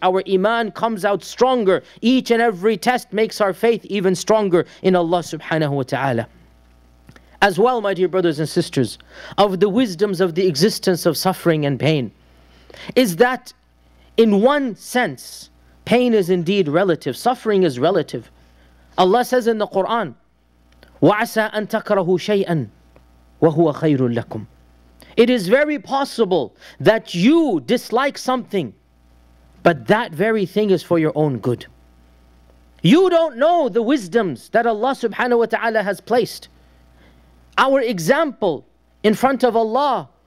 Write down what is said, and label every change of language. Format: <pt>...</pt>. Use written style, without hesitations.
<en>Our iman comes out stronger. Each and every test makes our faith even stronger in Allah subhanahu wa ta'ala. As well, my dear brothers and sisters, of the wisdoms of the existence of suffering and pain, is that in one sense, pain is indeed relative, suffering is relative. Allah says in the Quran,</en> <ar>وَعَسَىٰ أَن تَكْرَهُ شَيْئًا وَهُوَ خَيْرٌ لَكُمْ.</ar> <en>It is very possible that you dislike something, but that very thing is for your own good. You don't know the wisdoms that Allah subhanahu wa ta'ala has placed. Our example in front of Allah</en>